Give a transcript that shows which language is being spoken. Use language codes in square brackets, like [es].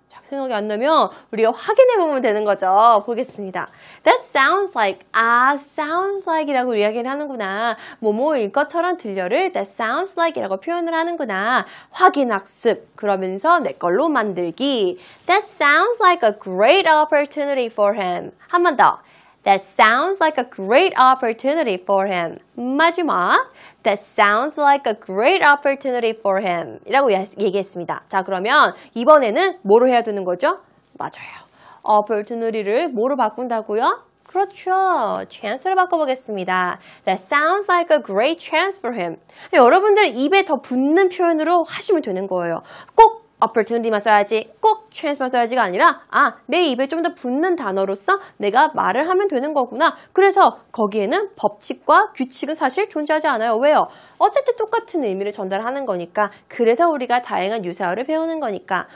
[ko] 자, 생각이 안 나면 우리가 확인해 보면 되는 거죠. 보겠습니다. [en] That sounds like, [ko] 아, [en] sounds like [ko] 이라고 이야기를 하는구나. 뭐뭐일 것처럼 들려를 [en] that sounds like [ko] 이라고 표현을 하는구나. 확인 학습 그러면서 내 걸로 만들기. [en] That sounds like a great opportunity for him. [ko] 한 번 더. [en] That sounds like a great opportunity for him. [ko] 마지막. [en] That sounds like a great opportunity for him. [ko] 이라고 얘기했습니다. 자, 그러면 이번에는 뭐로 해야 되는 거죠? 맞아요. opportunity를 뭐로 바꾼다고요? 그렇죠. chance로 바꿔보겠습니다. [en] That sounds like a great chance for him. [ko] 여러분들 입에 더 붙는 표현으로 하시면 되는 거예요. 꼭 opportunity만 써야지, 꼭 chance만 써야지가 아니라 아, 내 입에 좀 더 붙는 단어로서 내가 말을 하면 되는 거구나. 그래서 거기에는 법칙과 규칙은 사실 존재하지 않아요. 왜요? 어쨌든 똑같은 의미를 전달하는 거니까. 그래서 우리가 다양한 유사어를 배우는 거니까.